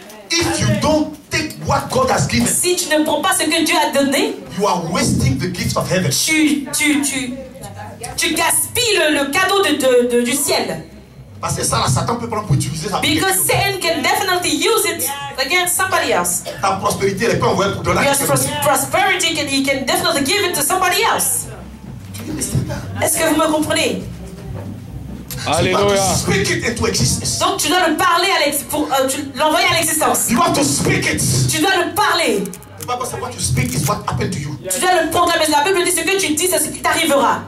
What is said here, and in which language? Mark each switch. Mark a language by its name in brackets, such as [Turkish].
[English] If you don't take what God has given, [French] si tu ne prends pas ce que Dieu a donné, [English] you are wasting the gifts of heaven. [French] Tu tu gaspilles le cadeau du ciel. Parce que ça, là, Satan peut prendre pour utiliser ça. [English] Because Satan can definitely use it against somebody else. [French] Ta prospérité, elle peut envoyer pour donner. [English] Prosperity, can, he can definitely give it to somebody else. [French] Est-ce que vous me comprenez? Alléluia. [English] Speak it into existence. [French] Donc tu dois le parler à tu l'envoyer à l'existence. [English] You have to speak it. [French] Tu dois le parler. [English] What you speak is what happened to you. [French] Tu dois le proclamer. La Bible dit ce que tu dis, c'est ce qui t'arrivera.